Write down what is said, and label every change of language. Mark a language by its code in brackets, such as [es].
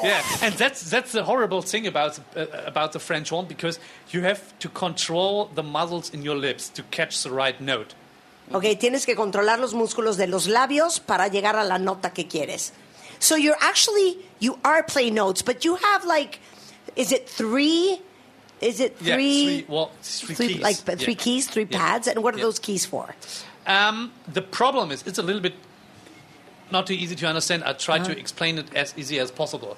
[en] Yeah, and that's the horrible thing about the French horn, because you have to control the muscles in your lips to catch the right note. [es] Okay, tienes que controlar los músculos de los labios para llegar a la nota que quieres. [en] So you're actually, you are playing notes, but you have like, is it three keys, three pads? And what are those keys for? The problem is, it's a little bit not too easy to understand. I'll try to explain it as easy as possible.